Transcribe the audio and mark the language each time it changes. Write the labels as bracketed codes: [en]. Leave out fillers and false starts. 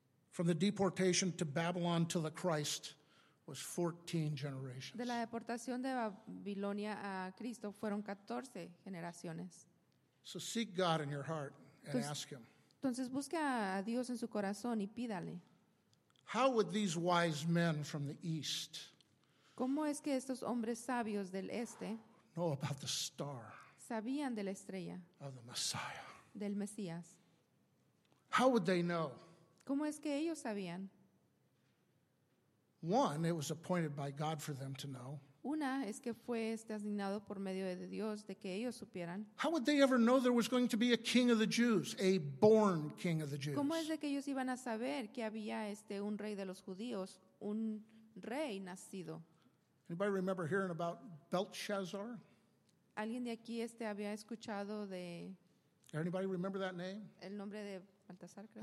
[en] From the deportation to Babylon to the Christ was 14 generations. [es] De la deportación de Babilonia a Cristo fueron 14 generaciones. [en] So seek God in your heart and ask him. [es] Entonces busque a Dios en su corazón y pídale. [en] How would these wise men from the east? [es] ¿Cómo es que estos hombres sabios del este? [en] Know about the star. [es] Sabían de la estrella. [en] Of the Messiah. [es] Del Mesías. [en] How would they know? [es] ¿Cómo es que ellos sabían? [en] One, it was appointed by God for them to know. [es] Una es que fue asignado por medio de Dios de que ellos supieran. [en] How would they ever know there was going to be a king of the Jews, a born king of the Jews? [es] ¿Cómo es de que ellos iban a saber que había un rey de los judíos, un rey nacido? [en] Anybody remember hearing about Belshazzar? [es] ¿Alguien de aquí había escuchado de [en] Anybody remember that name? [es] El nombre de Baltasar, creo.